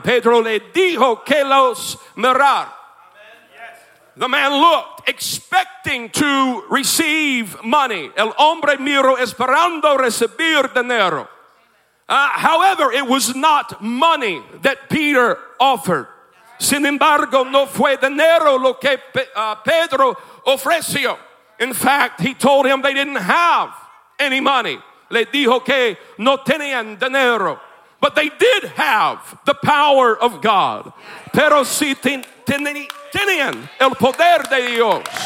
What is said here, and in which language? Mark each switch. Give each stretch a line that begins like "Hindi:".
Spanish: Pedro le dijo que los mirar.
English: The man looked, expecting to receive money.
Spanish: El hombre miró esperando recibir dinero.
English: However, it was not money that Peter offered.
Spanish: Sin embargo, no fue dinero lo que Pedro ofreció.
English: In fact, he told him they didn't have any money.
Spanish: Le dijo que no tenían dinero.
English: But they did have the power of God.
Spanish: Pero si tenían. tenían el poder de Dios.